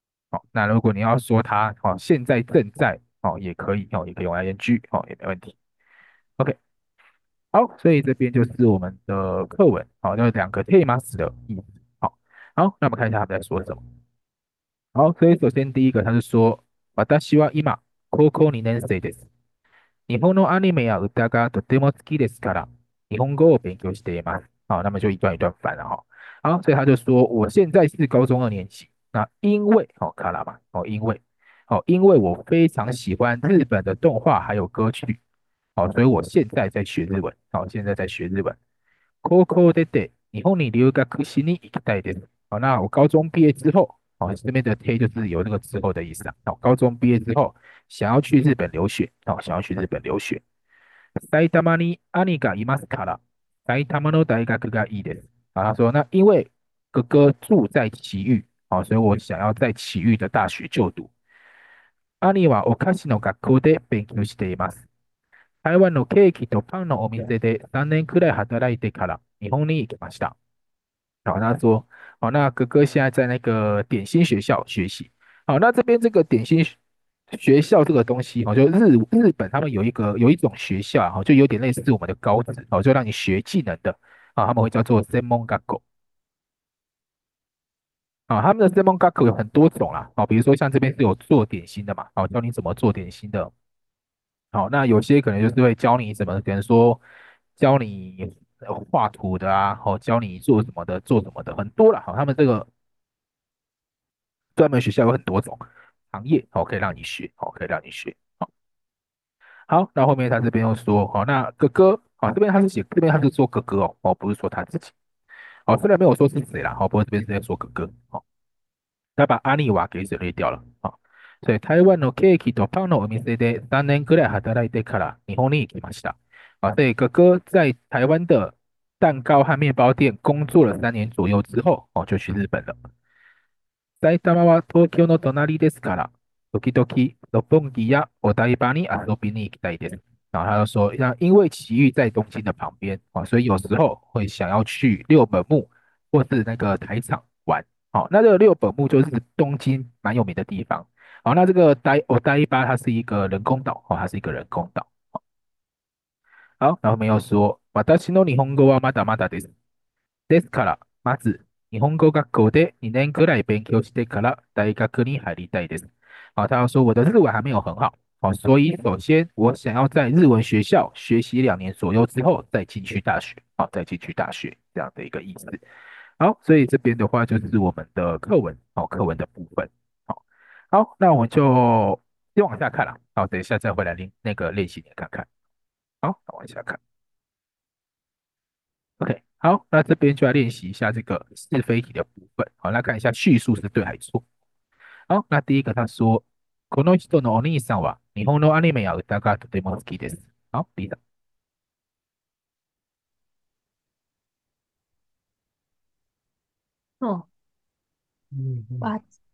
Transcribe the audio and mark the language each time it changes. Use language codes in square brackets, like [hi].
[zh] 好，那如果你要说他哦，现在正在哦，也可以哦，也可以用 ING 哦，也没问题。 OK，好，所以这边就是我们的课文，好，就是两个 teimas 的意思。好，那我们看一下他们在说什么。好，所以首先第一个，他是说， [ja] 私は今高校2年生です。日本のアニメや歌がとても好きですから、日本語を勉強しています。 [zh] 好，那么就一段一段翻了哈。好，所以他就说，我现在是高中二年级。那因为哦，卡拉嘛，哦，因为哦，因为我非常喜欢日本的动画还有歌曲，哦，所以我现在在学日文，哦，现在在学日文。 [ja] 高校出て日本に留学しに行きたいです。 [zh] 哦，那我高中毕业之后，哦，这边的 te 就是有那个之后的意思啊。哦，高中毕业之后想要去日本留学，哦，想要去日本留学。 [ja] 埼玉に兄がいますから、埼玉の大学がいいです。 [zh] 啊，他说那因为哥哥住在埼玉。好，所以我想要在埼玉的大学就读。 [ja] あにはお菓子の学校で勉強しています。台湾のケーキとパンのお店で3年くらい働いてから日本に行きました。 [zh] 好，他说，好，那哥哥现在在那个点心学校学习。好，那这边这个点心学校这个东西，哦，就日本他们有一种学校，哦，就有点类似我们的高职，哦，就让你学技能的，啊，他们会叫做専門学校。啊，他们的 semonggakku 有很多种啦，比如说像这边是有做点心的嘛，教你怎么做点心的，那有些可能就是会教你怎么，可能说教你画图的啊，教你做什么的，很多啦，他们这个专门学校有很多种行业，可以让你学，可以让你学，好，那后面他这边又说，那哥哥，这边他是写，这边他是说哥哥哦，不是说他自己。虽然没有说是谁啦，不过这边是在说哥哥，他把阿尼瓦给省略掉了，所以 [ja] 台湾のケーキとパンのお店で3年くらい働いてから日本に行きました。 [zh] 所以哥哥在台湾的蛋糕和面包店工作了3年左右之后，就去日本了。 [ja] 埼玉は東京の隣ですから、時々六本木やお台場に遊びに行きたいです。 [zh] 然后他就说，那因为埼玉在东京的旁边所以有时候会想要去六本木或是那个台场玩那这个六本木就是东京蛮有名的地方那这个大伊巴它是一个人工岛它是一个人工岛好，然后没有说 [ja] 私の日本語はまだまだです。ですから、まず日本語学校で2年くらい勉強してから大学に入りたいです。 [zh] 他又说我的日文还没有很好。所以首先我想要在日文学校学习2年左右之后再进去大学，再进去大学这样的一个意思。好，所以这边的话就是我们的课文，课文的部分。好，那我们就先往下看了。好，等一下再回来那个练习你看看。好，往下看。 OK，好，那这边就来练习一下这个是非题的部分。好，来看一下叙述是对还是错。好，那第一个他说。 [ja] この人のお兄さんは日本のアニメや歌がとても好きです。 [zh] 好、リーダ [ja] そう。わ。